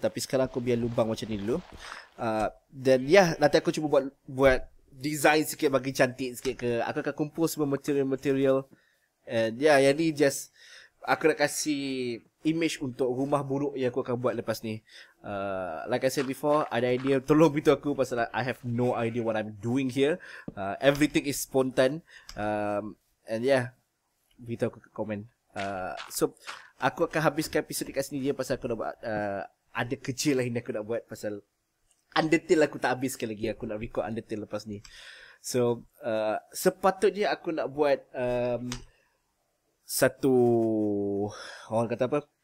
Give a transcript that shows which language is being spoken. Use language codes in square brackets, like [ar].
[ms] Tapi sekarang aku biar lubang macam ni dulu. Dan ya, yeah, nanti aku cuba buat design sikit bagi cantik sikit ke. Aku akan kumpul semua material-material. And ya, yeah, yang ni just aku nak kasi image untuk rumah buruk yang aku akan buat lepas ni. [en] Like I said before, [ms] ada idea, tolong beritahu aku pasal [en] I have no idea what I'm doing here. Everything is spontan. [ms] And yeah, beritahu aku ke komen. So, aku akan habiskan episode kat sini dia pasal aku nak buat ada kerja lain aku nak buat pasal Undertale aku tak habiskan lagi. Aku nak record Undertale lepas ni. So, sepatutnya aku nak buat satu, orang kata apa?